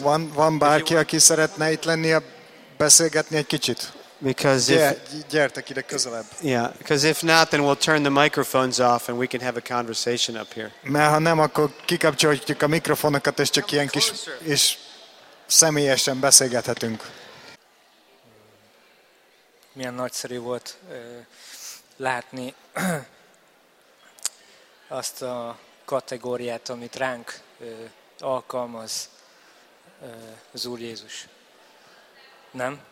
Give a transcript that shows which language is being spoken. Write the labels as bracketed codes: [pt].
[hu] van bárki, aki szeretne itt lenni a beszélgetni egy kicsit? [en] Because [hu] gyertek ide közelebb. [en] Yeah, because if not, then we'll turn the microphones off and we can have a conversation up here. [hu] Mert ha nem, akkor kikapcsoljuk a mikrofonokat, és csak ilyen kis és személyesen beszélgethetünk. Milyen nagyszerű volt látni azt a kategóriát, amit ránk alkalmaz az Úr Jézus. Nem?